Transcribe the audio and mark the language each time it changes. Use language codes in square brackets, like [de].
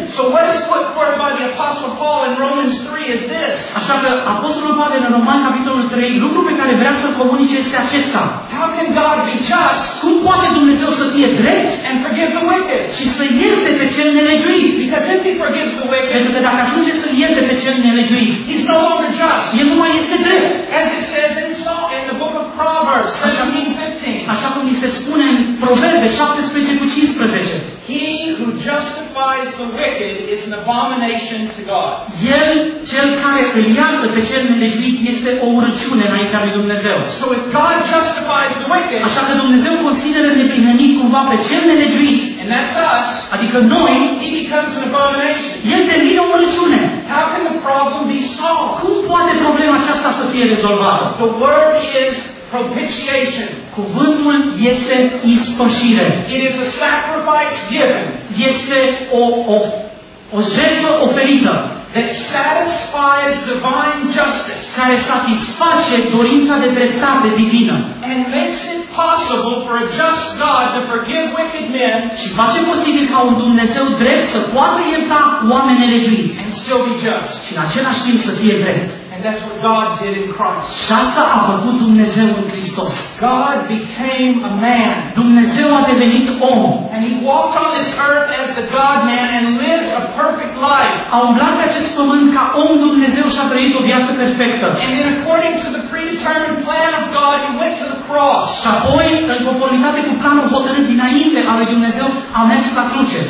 [en] So what is put forth by the Apostle Paul in Romans 3 is this. [ro] Așa că Apostolul Pavel în Romani capitolul 3, lucrul pe care vrea să-l comunice este acesta. [en] How can God be just? [ro] Cum poate Dumnezeu să fie drept? [en] And forgive the wicked. [ro] Și să ierte pe cel nelegiuit. [en] Because if he forgives the wicked, [ro] pentru că dacă ajunge să ierte pe cel nelegiuit, [en] he's no longer just. [ro] El nu mai este drept. [en] As it says in Psalm in the book of Proverbs 17:15. [ro] Așa cum se spune în Proverbe 17:15. [en] He who justifies the wicked is an abomination to God. [ro] El, cel care îl iartă pe cel nelegiuit, este o urăciune înaintea lui Dumnezeu. [en] So if God justifies the wicked, [ro] așa că Dumnezeu consideră neprihănit cumva pe cel nelegiuit, [en] and that's us, [ro] adică noi, [en] he becomes an abomination. [ro] El devine o urăciune. [en] How can the problem be solved? [ro] Cum poate problema aceasta să fie rezolvată? [en] The word is propitiation. [ro] Cuvântul este ispășire. [en] It is a sacrifice given. [ro] Este o jertfă oferită. [en] That satisfies divine justice. [ro] Care satisface dorința de dreptate divină. [en] And makes it possible for a just God to forgive wicked men. [ro] Și face posibil ca un Dumnezeu drept să poată ierta oameni nelegiuiți. [en] And still be just. [ro] Și în același timp să fie drept. [en] And that's what God did in Christ. [ro] Și asta a făcut Dumnezeu în Hristos. [en] God became a man. [ro] Dumnezeu a devenit om. [en] And he walked on this earth as the God-man and lived a perfect life. [ro] A umblat pe acest pământ ca om Dumnezeu și a trăit o viață perfectă. [en] And then according to the predetermined plan of God, he went to the cross. [ro] Și apoi, în conformitate cu planul hotărât dinainte al lui Dumnezeu, a mers la cruce.